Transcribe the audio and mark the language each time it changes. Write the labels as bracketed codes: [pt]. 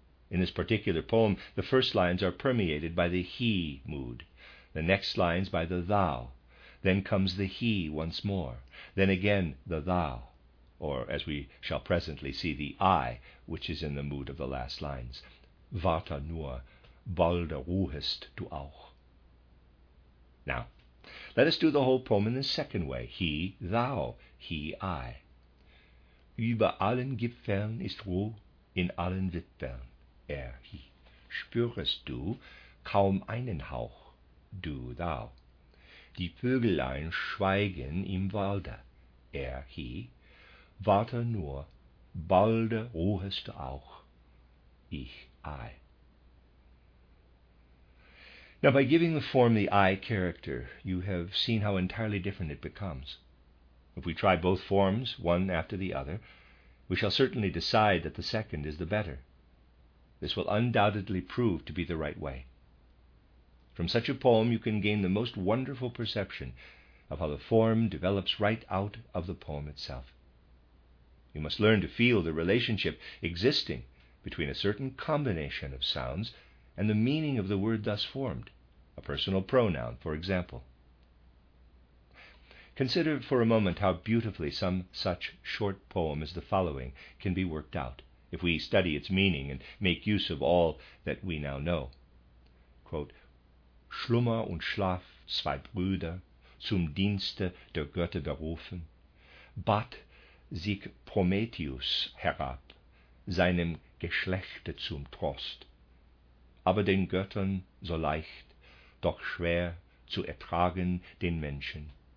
[en] In this particular poem, the first lines are permeated by the he mood, the next lines by the thou, then comes the he once more, then again the thou, or, as we shall presently see, the I, which is in the mood of the last lines. [de] Warte nur, balde ruhest du auch. [en] Now, let us do the whole poem in the second way. He, thou, he, I. [de] Über allen Gipfeln ist Ruhe, in allen Wipfeln, er, he. Spürest du kaum einen Hauch, du, thou. Die Vögelein schweigen im Walde, er, he. Warte nur, balde ruhest du auch, ich, I. [en] Now, by giving the form the I character, you have seen how entirely different it becomes. If we try both forms, one after the other, we shall certainly decide that the second is the better. This will undoubtedly prove to be the right way. From such a poem, you can gain the most wonderful perception of how the form develops right out of the poem itself. You must learn to feel the relationship existing between a certain combination of sounds and the meaning of the word thus formed, a personal pronoun, for example. Consider for a moment how beautifully some such short poem as the following can be worked out, if we study its meaning and make use of all that we now know. [de] Quote, Schlummer und Schlaf, zwei Brüder, zum Dienste der Götter berufen, bat sich Prometheus herab, seinem Geschlechte zum Trost, aber den Göttern so leicht, doch schwer zu ertragen den Menschen.